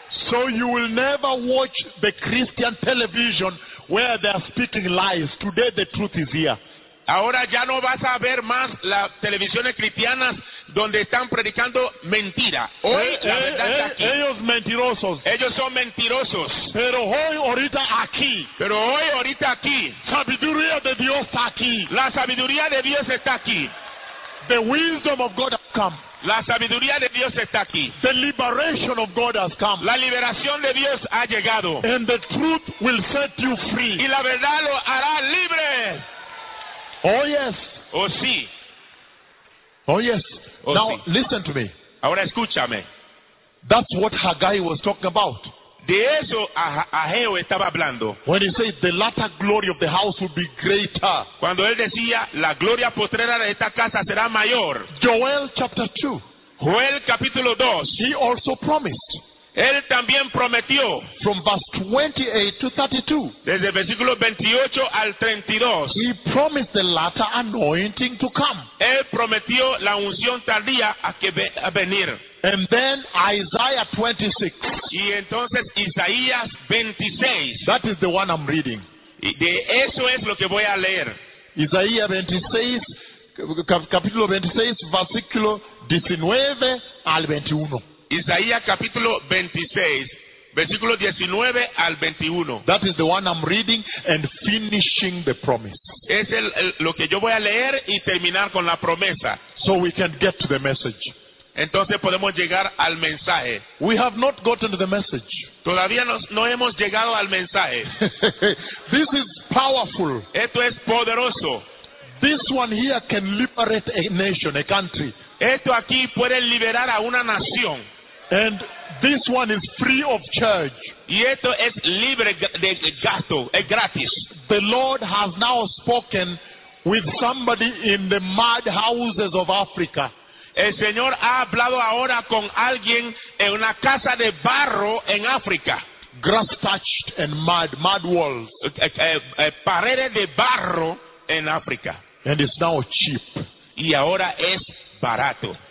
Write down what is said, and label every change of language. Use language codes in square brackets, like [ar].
[en] So you will never watch the Christian television where they are speaking lies. Today the truth is here. [es] Ahora ya no vas a ver más las televisiones cristianas donde están predicando mentira. Hoy la verdad está aquí. Ellos mentirosos. Ellos son mentirosos. Pero hoy ahorita aquí. Pero hoy ahorita aquí. Sabiduría de Dios está aquí. La sabiduría de Dios está aquí. [en] The wisdom of God has come. [es] La sabiduría de Dios está aquí. [en] The liberation of God has come. [es] La liberación de Dios ha llegado. [en] And the truth will set you free. [es] Y la verdad lo hará libre. [en] Oh yes. [es] Oh sí. [en] Oh yes. Oh, now [es] sí. [en] Listen to me. [es] Ahora escúchame. [en] That's what Haggai was talking about. [es] De eso Ageo estaba hablando. [en] When he said the latter glory of the house will be greater. [es] Cuando él decía la gloria postrera de esta casa será mayor. [en] Joel chapter 2. [es] Joel capítulo 2. [en] He also promised. [es] Él también prometió. [en] From verse 28 to 32. [es] Desde el versículo 28 al 32. [en] He promised the latter anointing to come. [es] Él prometió la unción tardía a venir. [en] And then Isaiah 26. [es] Y entonces Isaías 26. [en] That is the one I'm reading. [es] De eso es lo que voy a leer. [en] Isaías 26, capítulo 26, versículo 19 al 21. [es] Isaías capítulo 26, versículo 19 al 21. [en] That is the one I'm reading and finishing the promise. [es] Es lo que yo voy a leer y terminar con la promesa. [en] So we can get to the message. [es] Entonces podemos llegar al mensaje. [en] We have not gotten to the message. [es] Todavía no hemos llegado al mensaje. [en] This is powerful. [es] Esto es poderoso. [en] This one here can liberate a nation, a country. [es] Esto aquí puede liberar a una nación. [en] And this one is free of charge. [es] Y esto es libre de gasto, es gratis. [en] The Lord has now spoken with somebody in the madhouses of Africa. [es] El Señor ha hablado ahora con alguien en una casa de barro en África. [en] Grass touched and mud walls. [es] Paredes de barro en África. [en] And it's now cheap. [es] Y ahora es barato.